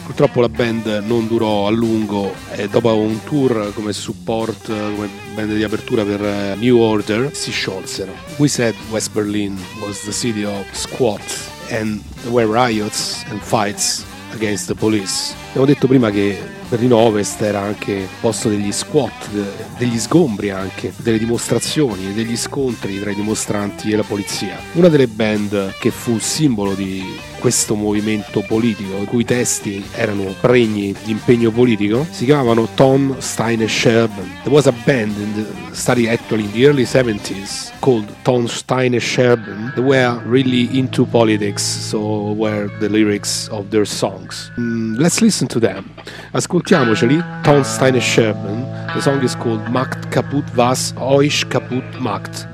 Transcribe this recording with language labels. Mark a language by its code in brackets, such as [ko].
[it] Purtroppo la band non durò a lungo e dopo un tour come support, come band di apertura per New Order, si sciolsero. [en] We said West Berlin was the city of squats and there were riots and fights against the police. [it] Abbiamo detto prima che Berlino Ovest era anche posto degli squat, degli sgombri anche, delle dimostrazioni e degli scontri tra i dimostranti e la polizia. Una delle band che fu simbolo di questo movimento politico, i cui testi erano pregni di impegno politico, si chiamavano Tom, Stein & Sherburn. [en] There was a band started actually in the early 70s called Tom, Stein & Sherburn. They were really into politics, so were the lyrics of their songs. Let's listen to them. [it] Ascoltiamoceli, [en] Tom, Stein & Sherburn. The song is called Macht kaputt was euch kaputt macht.